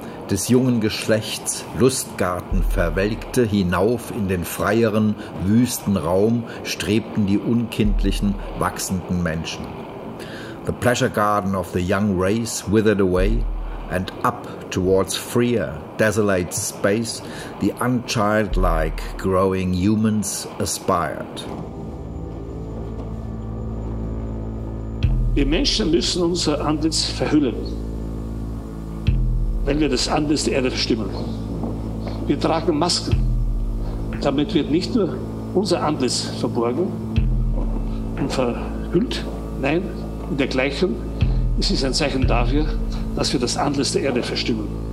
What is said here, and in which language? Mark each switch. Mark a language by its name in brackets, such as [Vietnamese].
[German] Des jungen Geschlechts Lustgarten verwelkte hinauf in den freieren, wüsten Raum strebten die unkindlichen, wachsenden Menschen. [English] The pleasure garden of the young race withered away, and up towards freer, desolate space the unchildlike growing humans aspired. [German] Wir Menschen müssen unser Antlitz verhüllen, wenn wir das Antlitz der Erde verstümmeln. Wir tragen Masken. Damit wird nicht nur unser Antlitz verborgen und verhüllt, nein, in dergleichen, es ist ein Zeichen dafür, dass wir das Antlitz der Erde verstümmeln.